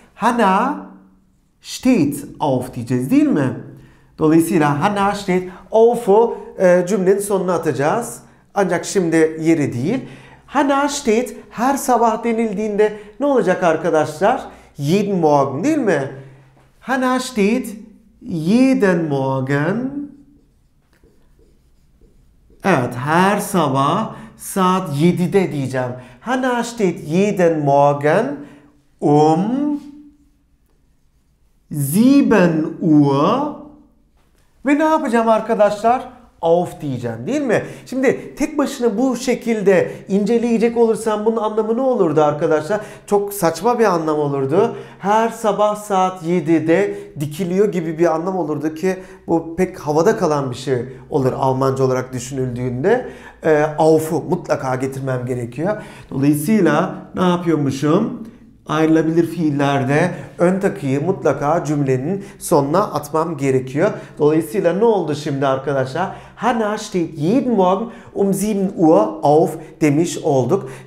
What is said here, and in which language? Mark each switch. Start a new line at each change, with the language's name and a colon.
German: Hannah steht auf
Turkish: diyeceğiz değil mi? Dolayısıyla Hannah steht auf'u cümlenin sonuna atacağız. Ancak şimdi yeri değil.
German: Hannah steht
Turkish: her sabah denildiğinde ne olacak arkadaşlar?
German: Jeden Morgen
Turkish: değil mi?
German: Hannah steht jeden Morgen.
Turkish: Evet, her sabah saat 7'de diyeceğim.
German: Hannah steht jeden Morgen um 7 Uhr.
Turkish: Ve ne yapacağım arkadaşlar? Auf diyeceğim değil mi? Şimdi tek başına bu şekilde inceleyecek olursam bunun anlamı ne olurdu arkadaşlar? Çok saçma bir anlam olurdu. Her sabah saat 7'de dikiliyor gibi bir anlam olurdu ki bu pek havada kalan bir şey olur Almanca olarak düşünüldüğünde. Auf'u mutlaka getirmem gerekiyor. Dolayısıyla ne yapıyormuşum? Ayrılabilir fiillerde ön takıyı mutlaka cümlenin sonuna atmam gerekiyor. Dolayısıyla ne oldu şimdi arkadaşlar?
German: Hannah steht jeden Morgen um 7 Uhr auf
Turkish: demiş olduk.